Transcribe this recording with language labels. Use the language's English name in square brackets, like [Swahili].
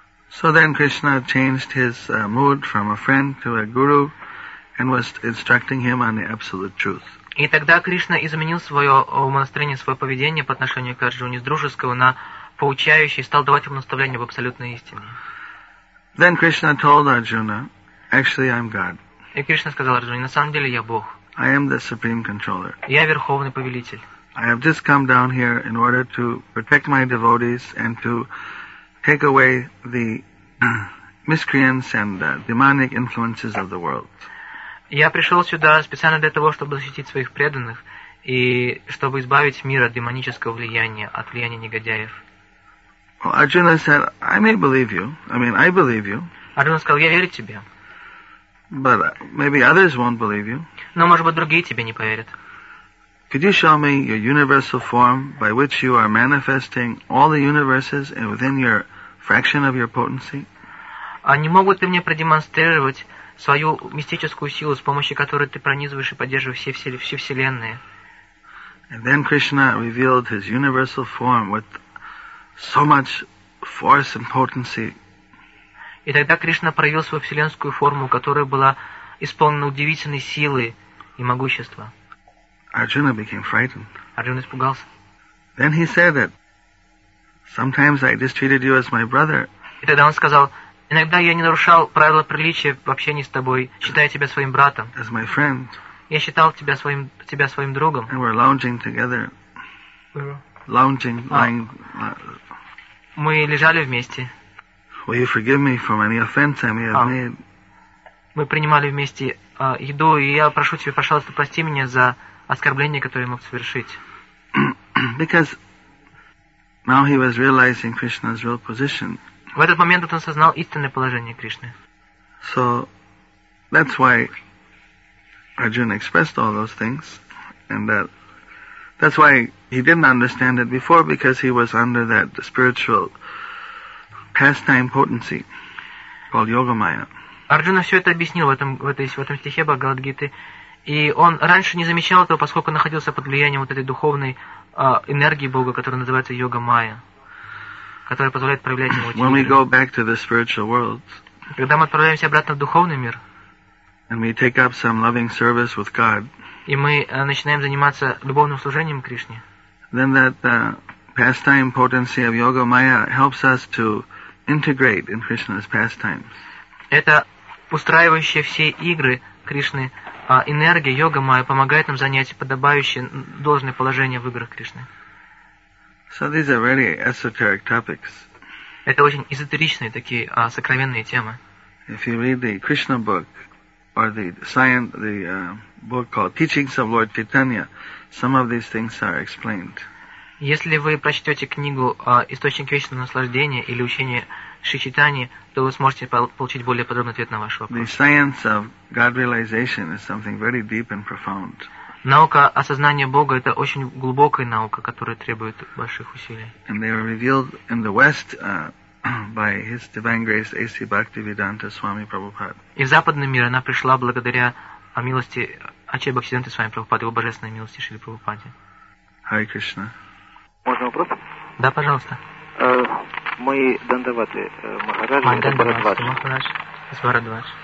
[English] So then Krishna changed his mood from a friend to a guru and was instructing him on the absolute truth. [Russian] И тогда Кришна изменил свое умонастроение, свое поведение по отношению к Арджуне с дружеского на поучающий, стал давать ему наставление в абсолютной истине. [English] Then Krishna told Arjuna, actually I'm God. [Russian] И Кришна сказал Арджуне, на самом деле я Бог. [English] I am the supreme controller. [Russian] Я верховный повелитель. [English] I have just come down here in order to protect my devotees and to take away the miscreants and the demonic influences of the world. [Russian] Я пришел сюда специально для того, чтобы защитить своих преданных и чтобы избавить мир от демонического влияния, от влияния негодяев. [English] Well, Arjuna said, I may believe you. I mean, I believe you. [Russian] Arjuna сказал, я верю тебе. [English] But maybe others won't believe you. [Russian] Но, может быть, другие тебе не поверят. [English] Could you show me your universal form by which you are manifesting all the universes within your fraction of your potency? [Russian] А не могут ты мне продемонстрировать свою мистическую силу, с помощью которой ты пронизываешь и поддерживаешь все вселенные. [English] And then Krishna revealed his universal form with so much force and potency. [Russian] И тогда Кришна проявил свою вселенскую форму, которая была исполнена удивительной силы и могущества. [English] Arjuna became frightened. [Russian] Арджуна испугался. [English] Then he said that sometimes I just treated you as my brother. [Russian] И тогда он сказал, иногда я не нарушал правила приличия в общении с тобой, считая тебя своим братом. [English] As my friend. [Russian] Я считал тебя своим другом. [English] And we're lounging together. Lying. [Russian] Мы лежали вместе. [English] Will you forgive me for any offense I may have made? [Russian] Мы принимали вместе еду, и я прошу тебя, пожалуйста, прости меня за оскорбление, которое я мог совершить. [English] Because now he was realizing Krishna's real position. [Russian] В этот момент он осознал истинное положение Кришны. [English] So that's why Arjuna expressed all those things, and that's why he didn't understand it before, because he was under that spiritual pastime potency called Yoga Maya. [Russian] Арджуна все это объяснил в этом стихе Бхагавад-гиты, и он раньше не замечал этого, поскольку находился под влиянием вот этой духовной энергии Бога, которая называется Йога Майя, которая позволяет проявлять ему [English] When we go back to the spiritual world, [Russian] когда мы отправляемся обратно в духовный мир, [English] and we take up some loving service with God, [Russian] и мы начинаем заниматься любовным служением Кришне, [English] then that pastime potency of Yoga Maya helps us to integrate in Krishna's pastimes. [Russian] Это устраивающая все игры Кришны энергия Йога Майя помогает нам занять подобающее должное положение в играх Кришны. [English] So these are really esoteric topics. [Russian] Это очень эзотеричные такие сокровенные темы. [English] If you read the Krishna book or the science, the book called Teachings of Lord Chaitanya, some of these things are explained. [Russian] Если вы прочтете книгу «Источник вечного наслаждения» или «Учение Шри Чайтаньи», то вы сможете получить более подробный ответ на ваш вопрос. [English] The science of God realization is something very deep and profound. [Russian] Наука осознания Бога – это очень глубокая наука, которая требует больших усилий. [English] And they were revealed in the West by His Divine Grace A.C. Bhaktivedanta Swami Prabhupada. [Russian] И в западный мир она пришла благодаря милости Ачи Бхактивиданты Свами Прабхупады, его божественной милости Шри Прабхупаде. [English] Hare Krishna. [Russian] Можно вопрос? Да, пожалуйста. Мои дандаваты, Махараджи, Махарадж.